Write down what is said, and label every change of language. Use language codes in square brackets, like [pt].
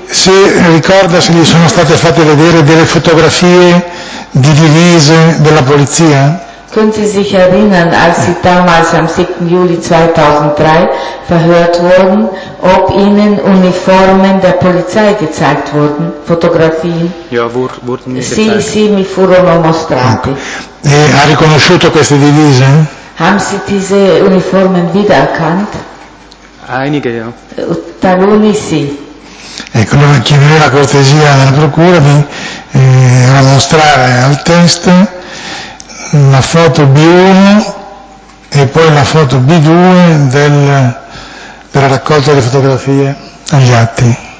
[it] Se ricorda se gli sono state fatte vedere delle fotografie di divise della polizia? [de] Könnte sich erinnern, als sie damals am 7. Juli 2003 verhört wurden, ob ihnen Uniformen der Polizei gezeigt wurden, Fotografien? Ja, wurden mir [it] sì, [de] gezeigt. [it] Sì, mi furono mostrati. E ha riconosciuto queste divise? [de] Haben sie diese Uniformen wiedererkannt? Einige, ja. [it] Taluni, sì. Ecco, allora chiederei la cortesia della procura di mostrare al test la foto B1 e poi la foto B2 della raccolta delle fotografie agli atti.